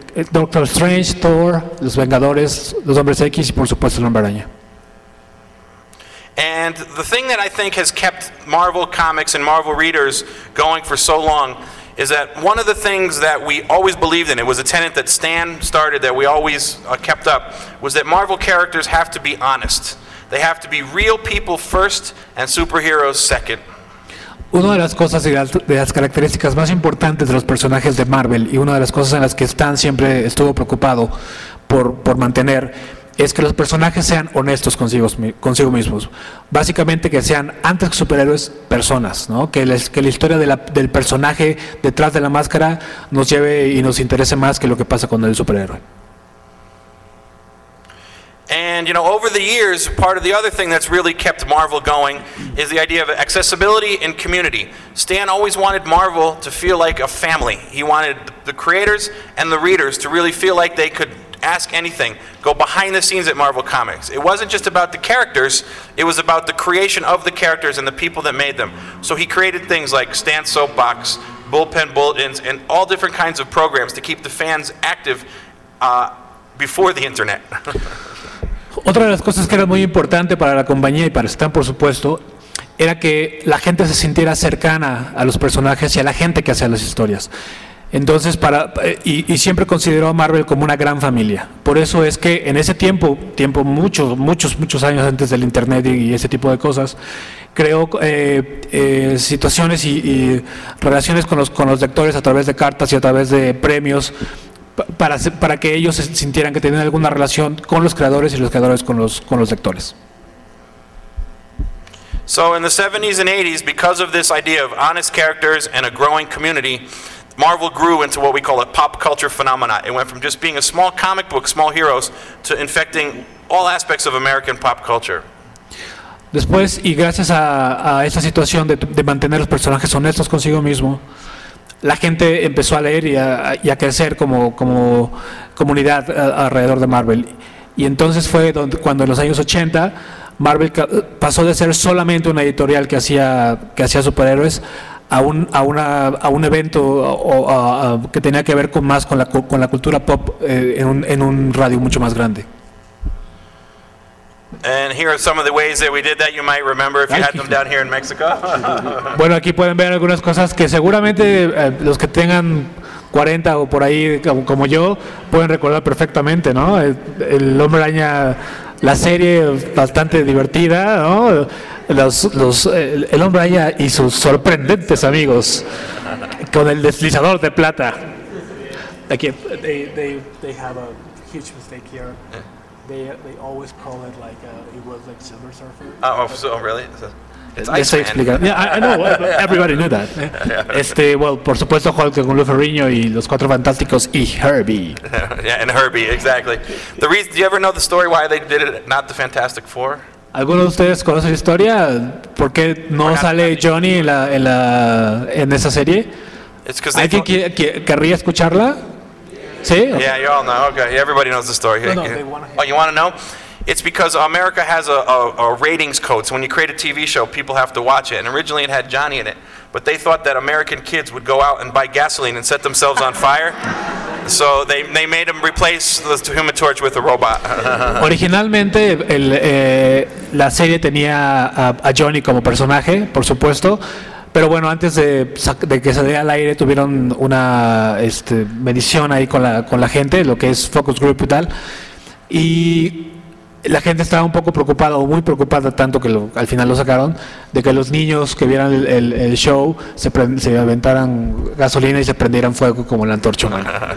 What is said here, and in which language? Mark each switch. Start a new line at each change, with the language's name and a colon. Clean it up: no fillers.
Spanish: Doctor Strange, Thor, Los Vengadores, Los Hombres X y por supuesto el Hombre Araña.
English: And the thing that I think has kept Marvel Comics and Marvel readers going for so long is that one of the things that we always believed in, it was a tenet that Stan started that we always kept up, was that Marvel characters have to be honest. They have to be real people first and superheroes second.
Spanish: Una de las cosas y de las características más importantes de los personajes de Marvel y una de las cosas en las que Stan siempre estuvo preocupado por mantener es que los personajes sean honestos consigo mismos. Básicamente que sean, antes que superhéroes, personas, ¿no? Que la historia del personaje detrás de la máscara nos lleve y nos interese más que lo que pasa con el superhéroe.
English: And you know, over the years, part of the other thing that's really kept Marvel going is the idea of accessibility and community. Stan always wanted Marvel to feel like a family. He wanted the creators and the readers to really feel like they could ask anything, go behind the scenes at Marvel Comics. It wasn't just about the characters, it was about the creation of the characters and the people that made them. So he created things like Stand Soapbox, Bullpen Bulletins, and all different kinds of programs to keep the fans active before the internet.
Spanish: Otra de las cosas que era muy importante para la compañía y para Stan, por supuesto, era que la gente se sintiera cercana a los personajes y a la gente que hacía las historias. Entonces, y siempre consideró a Marvel como una gran familia. Por eso es que en ese tiempo muchos, muchos, muchos años antes del internet y ese tipo de cosas, creó situaciones y relaciones con los lectores a través de cartas y a través de premios para que ellos se sintieran que tenían alguna relación con los creadores y los creadores con los lectores.
English: So in the 70s and 80s, because of this idea of honest characters and a growing community, Marvel grew into what we call a pop culture phenomenon. It went from just being a small comic book, small heroes, to infecting all aspects of American pop culture.
Spanish: Después, y gracias a esa situación de mantener los personajes honestos consigo mismo, la gente empezó a leer y a crecer como comunidad alrededor de Marvel. Y entonces fue cuando en los años 80, Marvel pasó de ser solamente una editorial que hacía superhéroes a un evento que tenía que ver con la cultura pop en un radio mucho más grande.
English: And here are some of the ways that we did that. You might remember if you had them down here in Mexico.
Spanish: Bueno, aquí pueden ver algunas cosas que seguramente los que tengan 40 o por ahí como yo pueden recordar perfectamente, ¿no? El Hombre Araña, la serie bastante divertida, ¿no? El Hombre Araña y sus sorprendentes amigos con el deslizador de plata. Aquí
English: they have a huge mistake here. They always call it like it was like Silver Surfer. Oh, really? It's Iceman. Yeah, I know. Everybody knew that. Well,
Spanish: por supuesto, Hulk con Luferriño y los Cuatro Fantásticos y Herbie.
English: Yeah, and Herbie, exactly. The reason, do you ever know the story why they did it, not the Fantastic Four?
Spanish: ¿Alguno de ustedes conoce la historia? ¿Por qué no sale Johnny en esa serie?
English: It's because they don't...
Spanish: ¿Querría escucharla? ¿Sí?
English: Okay. Yeah, you all know. Okay, everybody knows the story. No, they wanna... Oh, you want to know? It's because America has a ratings code. So when you create a TV show, people have to watch it. And originally it had Johnny in it. But they thought that American kids would go out and buy gasoline and set themselves on fire. So they made him replace the Human Torch with a robot.
Spanish: Originalmente, la serie tenía a Johnny como personaje, por supuesto. Pero bueno, antes de que saliera al aire, tuvieron una medición ahí con la gente, lo que es Focus Group y tal. Y la gente estaba un poco preocupada, o muy preocupada, tanto que al final lo sacaron, de que los niños que vieran el show se aventaran gasolina y se prendieran fuego como la antorcha humana.